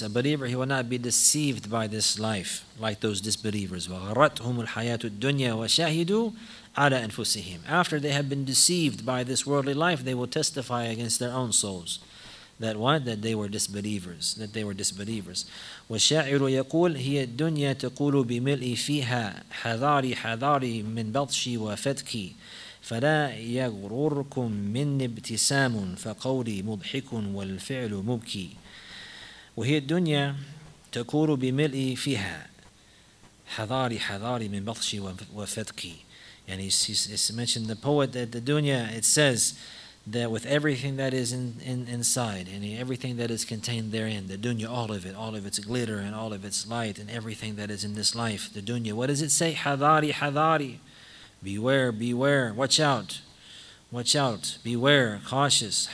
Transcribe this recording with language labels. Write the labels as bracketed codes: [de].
[en] A believer, he will not be deceived by this life like those disbelievers. [ar] وَغَرَّتْهُمُ الْحَيَاةُ الدُّنْيَا وَشَهِدُوا عَلَىٰ أَنفُسِهِمْ. [en] After they have been deceived by this worldly life, they will testify against their own souls. That what? That they were disbelievers. [ar] وَالشَّاعِرُ يَقُولُ هِيَ الدُّنْيَا تَقُولُ بِمِلْءِ فِيهَا حَذَارِي حَذَارِي مِنْ بَطْشِي وَفَتْكِي فلا يغرركم من ابتسام فقولي مضحك والفعل مبكي. وهي الدنيا تكور بملء فيها حضاري حضاري من بطشي وفتكي. [en] يعني it's mentioned, the poet, that the dunya, it says that with everything that is inside, and everything that is contained therein, the dunya, all of its glitter and all of its light and everything that is in this life, the dunya, what does it say? [ar] حضاري حضاري, [en] beware, beware, watch out, watch out, beware, cautious.